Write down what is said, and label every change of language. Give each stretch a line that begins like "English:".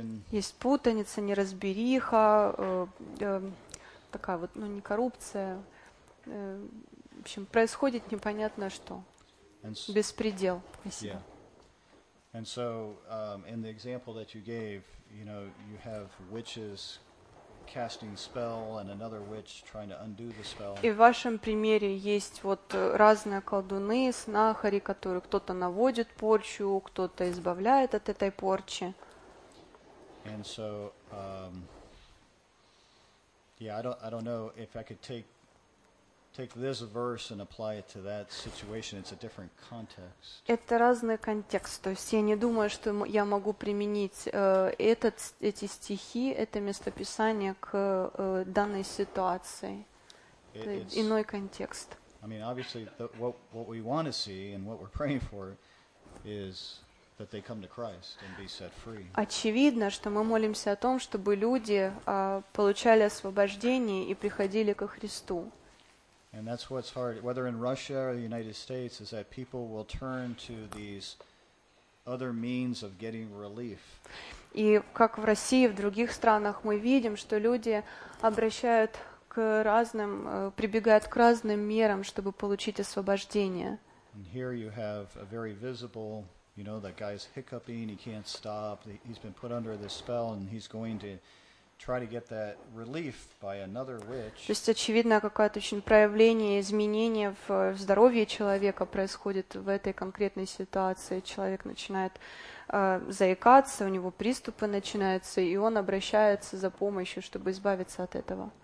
Russian: Есть путаница, неразбериха, такая вот, ну не коррупция, в общем, происходит непонятно что, беспредел.
English: And so, in the example that you gave, you know, you have witches casting spell and another witch trying to undo the spell.
Russian: И в вашем примере есть вот разные колдуны, знахари, которые кто-то наводит порчу, кто-то избавляет от этой порчи.
English: And so, I don't know if I could take this verse and apply it to that situation. It's a different context.
Russian: Это разный контекст. То есть я не думаю, что я могу применить эти стихи, это местописание к данной ситуации.
English: It's
Russian: иной контекст.
English: I mean, obviously, what we want to see and what we're praying for is that they come to Christ and be set free.
Russian: Очевидно, что мы молимся о том, чтобы люди получали освобождение и приходили ко Христу.
English: And that's what's hard, whether in Russia or the United States, is that people will turn to these other means of getting relief.
Russian: И как в России, в других странах мы видим, что люди обращают к разным, прибегают к разным мерам, чтобы получить освобождение.
English: And here you have a very visible, you know, that guy's hiccuping, he can't stop, he's been put under this spell and he's going to try to get that relief by another witch.
Russian: То есть очевидно, какое-то очень проявление изменения в здоровье человека происходит в этой конкретной ситуации. Человек начинает заикаться, у него приступы начинаются, и он обращается за помощью, чтобы избавиться от этого.